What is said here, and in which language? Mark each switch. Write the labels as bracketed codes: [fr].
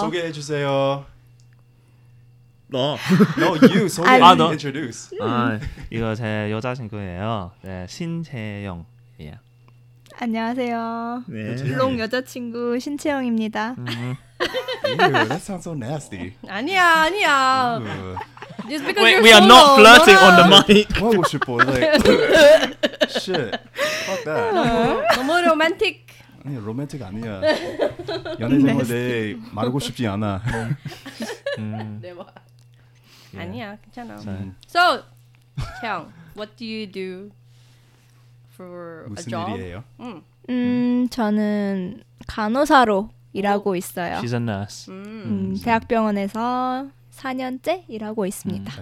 [ko] 소개해 주세요. 너. [en] No, you. So you need to introduce. [ko] 아, 이거 제 여자친구예요. 네, 신채영. [en] Yeah. [ko] 안녕하세요. 네. 롱 여자친구 신채영입니다. [en] Ew, that sounds so nasty. [ko] 아니야, 아니야. [en] Just because Wait, we are not flirting on the mic. What was your point? Like, shit. Fuck that. [ko] 너무 로맨틱. 아니, 로맨틱 아니야. 연애 생활에 말하고 싶지 않아. 네, 뭐. [en] Yeah. [ko] 아니야, 괜찮아. [en] So, 채영, what do you do for a job? [ko] 무슨 일이에요? 저는 간호사로 일하고 있어요. [en] She's a nurse. [ko] 대학병원에서 4년째 일하고 있습니다.